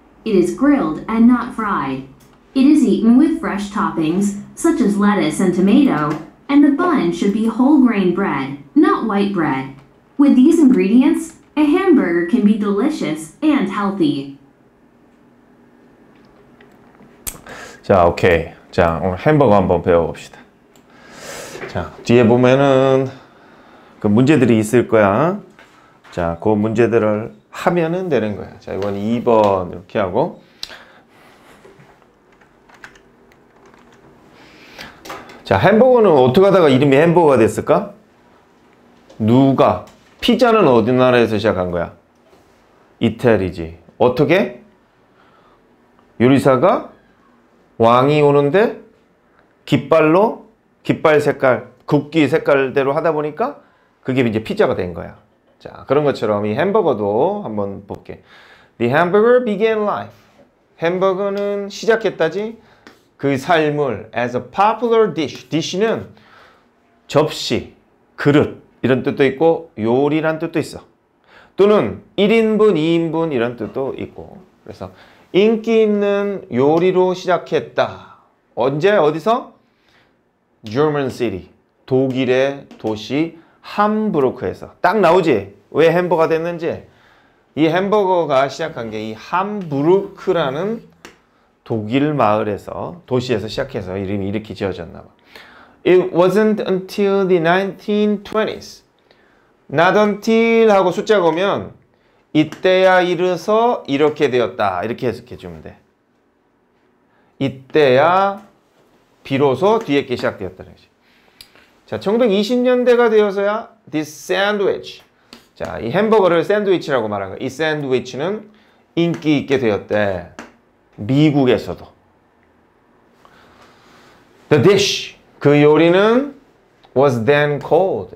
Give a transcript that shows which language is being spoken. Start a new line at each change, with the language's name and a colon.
English: It is grilled and not fried. It is eaten with fresh toppings, such as lettuce and tomato, and the bun should be whole grain bread, not white bread. With these ingredients, a hamburger can be delicious and healthy.
Korean: 자, 오케이. 자, 오늘 햄버거 한번 배워봅시다. 자, 뒤에 보면은 그 문제들이 있을 거야. 자, 그 문제들을 하면은 되는 거야. 자, 이건 2번 이렇게 하고. 자, 햄버거는 어떻게 하다가 이름이 햄버거가 됐을까? 누가? 피자는 어디 나라에서 시작한 거야? 이태리지. 어떻게? 요리사가 왕이 오는데 깃발로 깃발 색깔, 국기 색깔대로 하다 보니까 그게 이제 피자가 된 거야. 자, 그런 것처럼 이 햄버거도 한번 볼게.
English: The hamburger began life.
Korean: 햄버거는 시작했다지? 그 삶을
English: as a popular dish.
Korean: dish는 접시, 그릇 이런 뜻도 있고 요리란 뜻도 있어. 또는 1인분, 2인분 이런 뜻도 있고. 그래서 인기 있는 요리로 시작했다. 언제? 어디서?
English: German city.
Korean: 독일의 도시 함부르크에서. 딱 나오지? 왜 햄버거가 됐는지? 이 햄버거가 시작한 게 이 함부르크라는 독일 마을에서, 도시에서 시작해서 이름이 이렇게 지어졌나 봐.
English: It wasn't until the 1920s. Not until
Korean: 하고 숫자 보면 이때야 이르서 이렇게 되었다. 이렇게 해석해 주면 돼. 이때야 비로소 뒤에 게 시작되었다는 거지. 자, 1920년대가 되어서야
English: this sandwich.
Korean: 자, 이 햄버거를 샌드위치라고 말한 거. 이 샌드위치는 인기 있게 되었대. 미국에서도.
English: The dish.
Korean: 그 요리는
English: was then called.